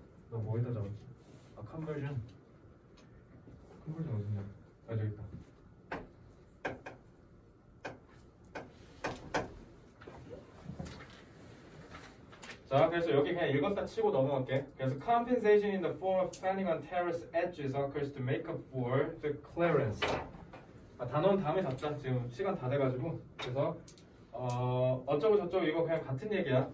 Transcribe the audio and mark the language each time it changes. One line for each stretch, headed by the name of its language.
Korean: 너 뭐에다 잡았지? 아, 컨버전. 컨버전 어딨냐? 아, 저기 있다. 자, 그래서 여기 그냥 읽었다 치고 넘어갈게. 그래서
English: compensation in the form of planning on terrace edges occurs to make up for the clearance.
Korean: 아, 단어는 다음에 잡자. 지금 시간 다 돼가지고. 그래서 어쩌고 저쩌고 이거 그냥 같은 얘기야.